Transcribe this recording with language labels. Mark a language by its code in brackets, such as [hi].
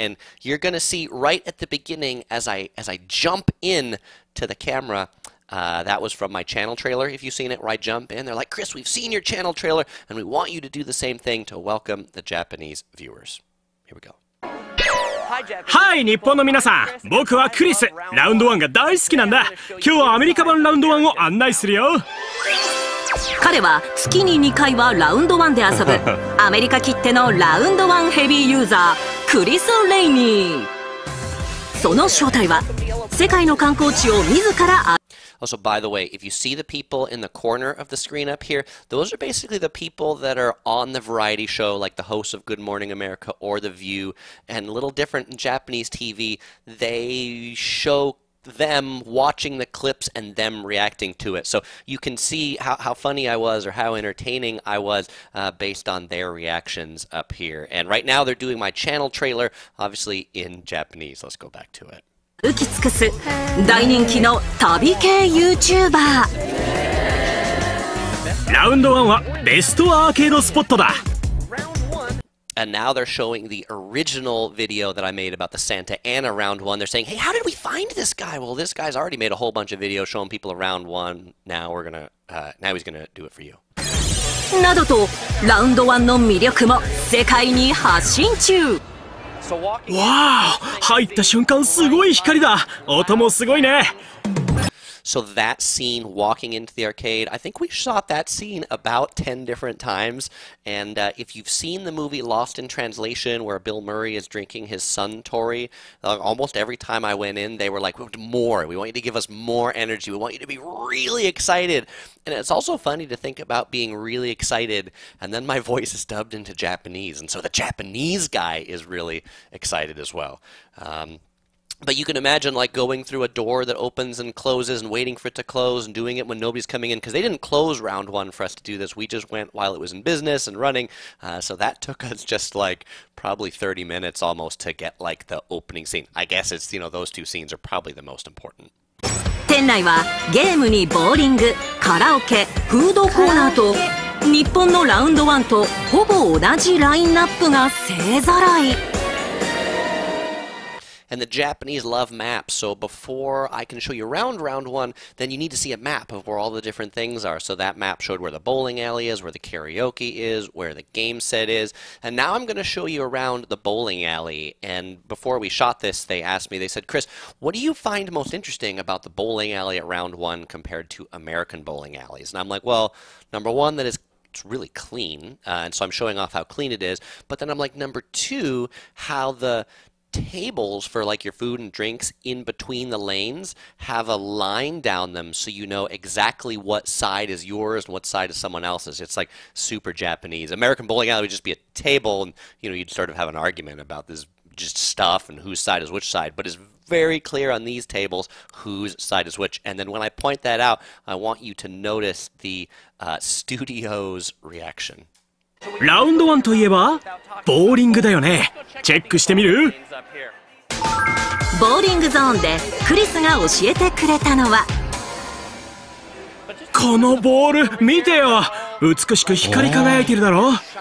[en] And you're going to see right at the beginning, as I jump in to the camera, that was from my channel trailer, if you've seen it, where I jump in. They're like, Chris, we've seen your channel trailer, and we want you to do the same thing to welcome the Japanese viewers. Here we go. [ja] Hi, 日本の皆さん。僕はクリス。ラウンド1が大好きなんだ。今日はアメリカ版ラウンド1を案内するよ。彼は月に2回はラウンド1で遊ぶ。アメリカきってのラウンド1ヘビーユーザー、クリス・レイニー。その正体は、世界の観光地を自ら… [en] Also, by the way, if you see the people in the corner of the screen up here, those are basically the people that are on the variety show, like the hosts of Good Morning America or The View. And a little different in Japanese TV, they show them watching the clips and them reacting to it. So you can see how funny I was or how entertaining I was based on their reactions up here. And right now they're doing my channel trailer, obviously in Japanese. Let's go back to it. [ja] 浮き尽くす大人気の旅系 YouTuber。ラウンド1はベストアーケードスポットだ。 [en] And now they're showing the original video that I made about the Santa Ana round one. They're saying, hey, how did we find this guy? Well, this guy's already made a whole bunch of videos showing people around one. Now we're gonna, now he's gonna do it for you. [ja] などと、ラウンドワンの魅力も世界に発信中。わあ、入った瞬間すごい光だ。音もすごいね。 [en] So that scene, walking into the arcade, I think we shot that scene about 10 different times. And if you've seen the movie Lost in Translation, where Bill Murray is drinking his Suntory, almost every time I went in, they were like, we want more. We want you to give us more energy. We want you to be really excited. And it's also funny to think about being really excited, and then my voice is dubbed into Japanese. And so the Japanese guy is really excited as well. But you can imagine, like, going through a door that opens and closes and waiting for it to close and doing it when nobody's coming in, because they didn't close round one for us to do this. We just went while it was in business and running. So that took us just, like, probably 30 minutes almost to get, like, the opening scene. I guess it's, you know, those two scenes are probably the most important. [ja] 店内はゲームにボーリング、カラオケ、フードコーナーと日本のラウンドワンとほぼ同じラインナップが勢ぞろい。 [en] And the Japanese love maps, so before I can show you around round one, then you need to see a map of where all the different things are. So that map showed where the bowling alley is, where the karaoke is, where the game set is. And now I'm going to show you around the bowling alley. And before we shot this, they asked me, they said, Chris, what do you find most interesting about the bowling alley at round one compared to American bowling alleys? And I'm like, well, number one, that is it's really clean. And so I'm showing off how clean it is. But then I'm like, number two, how the tables for like your food and drinks in between the lanes have a line down them so you know exactly what side is yours and what side is someone else's. It's like super Japanese. American bowling alley would just be a table and you know you'd sort of have an argument about this just stuff and whose side is which side, but it's very clear on these tables whose side is which. And then when I point that out, I want you to notice the studio's reaction. [ja] ラウンドワンといえばボーリングだよね。チェックしてみる？ボーリングゾーンでクリスが教えてくれたのは、このボール見てよ、美しく光り輝いてるだろ。